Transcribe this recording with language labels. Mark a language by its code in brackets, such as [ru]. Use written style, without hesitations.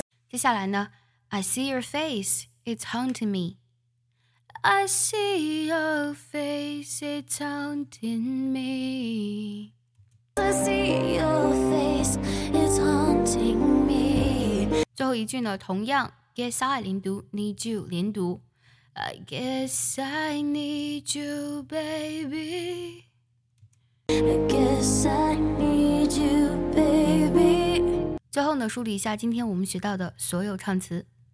[zh] 接下来呢 [en] I see your face, it's haunting me. I see your face, it's haunting me. I see your face, it's haunting me. [zh] 最后一句呢同样 [en] Guess I [zh] 连读 [en] need you [zh] 连读 [en] I guess I need you, baby. I guess I need you, baby. [zh] 最后呢，梳理一下今天我们学到的所有唱词。